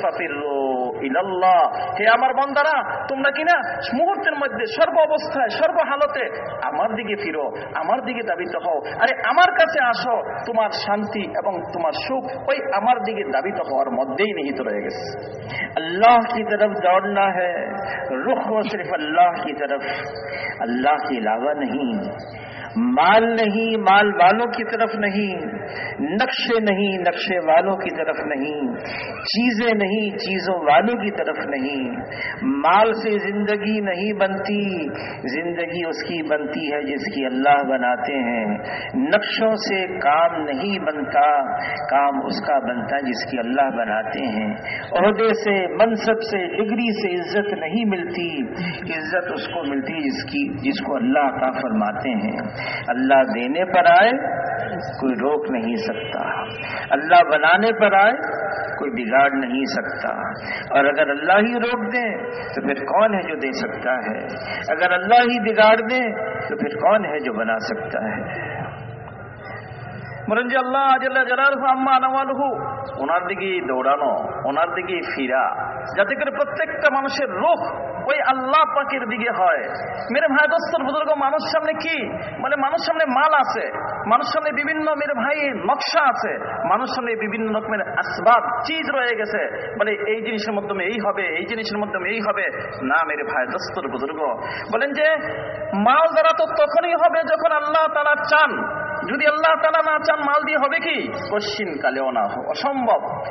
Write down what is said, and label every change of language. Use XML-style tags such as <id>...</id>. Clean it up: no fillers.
<ar>ফাফিরু ইলাল্লাহ,</ar> <bn>হে আমার বান্দারা, তোমরা কিনা মুহূর্তের মধ্যে সর্ব অবস্থায় সর্ব হালতে আমার দিকে ফিরো, আমার দিকে দাবিত হও, আরে আমার কাছে আসো, তোমার শান্তি এবং তোমার সুখ ওই আমার দিকে দাবিত হওয়ার মধ্যেই নিহিত রয়ে গেছে.</bn> <ur>আল্লাহ কি তরফ দৌড়না হ্যায়, রুখ ও সিরফ আল্লাহ কি তরফ, আল্লাহ কি ইলাভা নহীন, مال نہیں مال والوں کی طرف نہیں, نقشے نہیں نقشے والوں کی طرف نہیں, چیزیں نہیں چیزوں والوں کی طرف نہیں, مال سے زندگی نہیں بنتی, زندگی اس کی بنتی ہے جس کی اللہ بناتے ہیں, نقشوں سے کام نہیں بنتا, کام اس کا بنتا ہے جس کی اللہ بناتے ہیں, عہدے سے منصب سے ڈگری سے عزت نہیں ملتی, عزت اس کو ملتی جس کی جس کو اللہ عطا فرماتے ہیں. اللہ دینے پر آئے کوئی روک نہیں سکتا, اللہ بنانے پر آئے کوئی بگاڑ نہیں سکتا, اور اگر اللہ ہی روک دیں تو پھر کون ہے جو دے سکتا ہے, اگر اللہ ہی بگاڑ دیں تو پھر کون ہے جو بنا سکتا ہے.</ur> <bn>মরঞ্জি আল্লাহ জল্ জলালহু আম্মা আনওয়ালহু, ওনার দিকে দৌড়ানো, ওনার দিকে ফিরা, যাতে করে প্রত্যেকটা মানুষের রুখ ওই আল্লাহ পাকের দিকে হয়।</bn> <ur>মেরে ভাই দোস্তর বুজুর্গ,</ur> <bn>মানুষ সামনে কি, মানে মানুষ সামনে মাল আছে, মানুষ সামনে বিভিন্ন</bn> <ur>মেরে ভাই</ur> <bn>নকশা আছে, মানুষ সামনে বিভিন্ন রকমের আসবাব চিজ রয়ে গেছে, বলে এই জিনিসের মাধ্যমে এই হবে, এই জিনিসের মাধ্যমে এই হবে, না মেরে ভাই দোস্তর বুজুর্গ, বলেন যে মাল দ্বারা তো তখনই হবে যখন আল্লাহ তাআলা চান, যদি আল্লাহ তাআলা না চান মাল দিয়ে হবে কি, কশ্চিন কালেও না, অসম্ভব,</bn>